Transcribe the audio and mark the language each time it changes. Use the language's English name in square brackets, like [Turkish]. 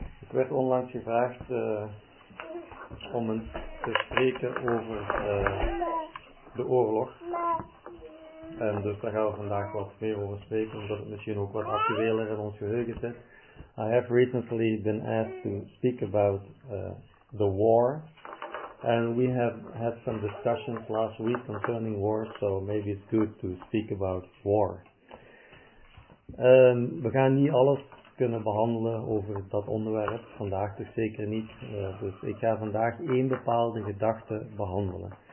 [Dutch] werd onlangs gevraagd om een, te spreken over de oorlog. En dus daar gaan we vandaag wat meer over spreken, omdat het misschien ook wat actueler in ons geheugen zit. [English] I have recently been asked to speak about the war. And we have had some discussions last week concerning war, so maybe it's good to speak about war. [Dutch] We gaan niet alles kunnen behandelen over dat onderwerp, vandaag dus zeker niet. Dus ik ga vandaag één bepaalde gedachte behandelen.